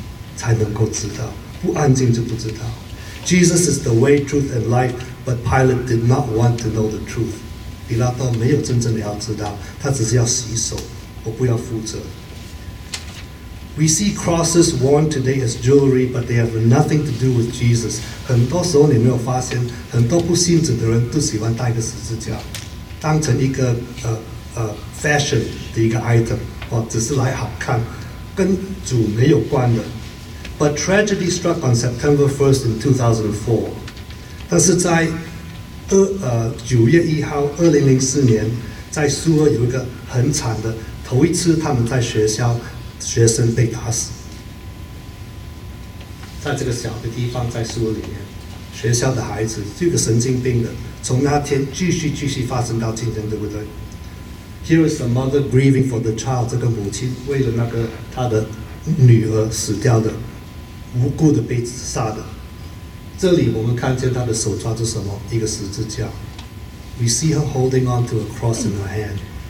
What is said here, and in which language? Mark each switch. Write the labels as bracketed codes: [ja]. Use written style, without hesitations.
[zh] 耶稣还没有开口,他已经走掉了。很清楚的,你要知道,你要留下来。圣经常常说,我们要安静才能够知道,不安静就不知道。 [en] Jesus is the way, truth, and life, but Pilate did not want to know the truth. [zh] 比拉多没有真正的要知道,他只是要洗手,我不要负责。 [en] We see crosses worn today as jewelry, but they have nothing to do with Jesus. [zh] 很多时候你没有发现, 很多不信主的人都喜欢戴个十字架, 当成一个, fashion的一个item, 哦, 只是来好看, 跟主没有关的。 [en] But tragedy struck on September 1st in 2004. [zh] 但是在9月1号2004年, 在苏俄有一个很惨的, 头一次他们在学校, 学生被打死，在这个小的地方，在书里面，学校的孩子，这个神经病的，从那天继续发生到今天，对不对？ [en] Here is the mother grieving for the child. [zh] 这个母亲为了那个她的女儿死掉的，无辜的被杀的。这里我们看见她的手抓着什么？一个十字架。 [en] We see her holding on to a cross in her hand.